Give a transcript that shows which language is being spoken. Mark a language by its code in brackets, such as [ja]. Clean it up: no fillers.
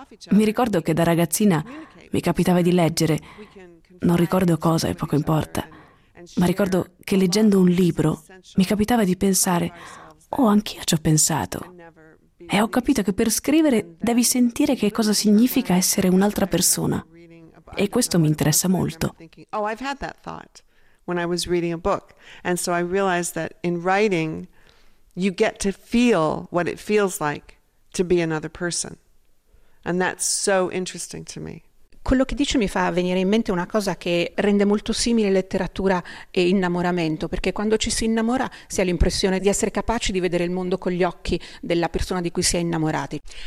[it] Mi ricordo che da ragazzina mi capitava di leggere, non ricordo cosa e poco importa, ma ricordo che leggendo un libro mi capitava di pensare, oh, anch'io ci ho pensato. E ho capito che per scrivere devi sentire che cosa significa essere un'altra persona. E questo mi interessa molto. [en] Oh, I've had that thought when I was reading a book. And so I realized that in writing you get to feel what it feels like to be another person. And that's so interesting to me. [it] Quello che dice mi fa venire in mente una cosa che rende molto simile letteratura e innamoramento, perché quando ci si innamora si ha l'impressione di essere capaci di vedere il mondo con gli occhi della persona di cui si è innamorati.